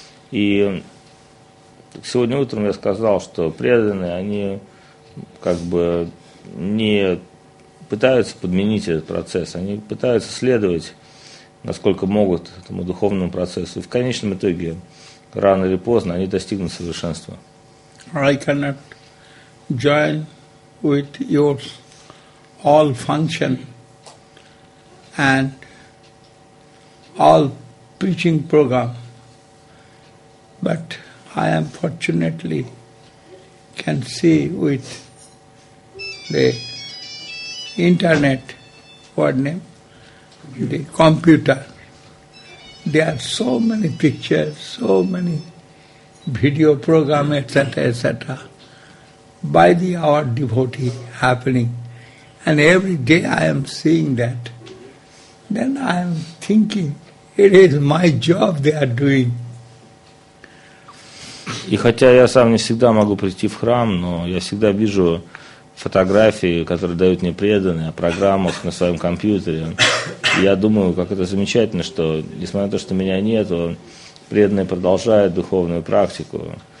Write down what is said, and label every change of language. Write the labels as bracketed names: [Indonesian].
[Russian] И сегодня утром я сказал, что преданные, они как бы не пытаются подменить этот процесс, они пытаются следовать, насколько могут, этому духовному процессу. И в конечном итоге, рано или поздно, они достигнут совершенства. [English] I cannot join with your all function and all preaching program, but I am fortunately can see with the internet, what name? The computer. There are so many pictures, so many video programs, etc., etc., by the our devotee happening. And every day I am seeing that. Then I am thinking, it is my job they are doing. [Russian] И хотя я сам не всегда могу прийти в храм, но я всегда вижу фотографии, которые дают мне преданные, о программах на своем компьютере. И я думаю, как это замечательно, что, несмотря на то, что меня нет, преданные продолжают духовную практику.